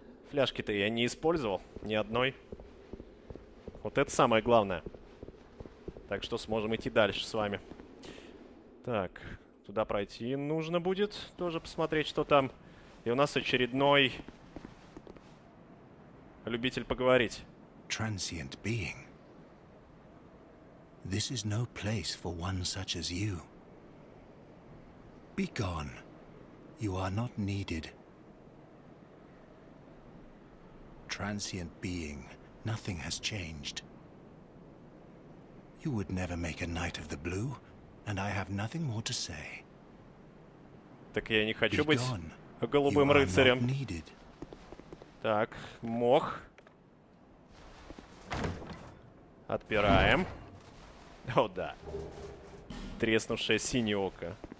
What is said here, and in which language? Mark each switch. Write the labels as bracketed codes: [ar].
[ru] Фляжки-то я не использовал. Ни одной. Вот это самое главное. Так что сможем идти дальше с вами. Так. Туда пройти нужно будет. Тоже посмотреть, что там. И у нас очередной любитель поговорить. [en] Transient being. This is no place for one such as you. Be gone. You are not needed. Transient being. Nothing has changed. You would never make a knight of the blue, and I have nothing more to say. [ru] Так я не хочу быть голубым рыцарем. Так, мох. Отпираем. О, да. Треснувшее синее око.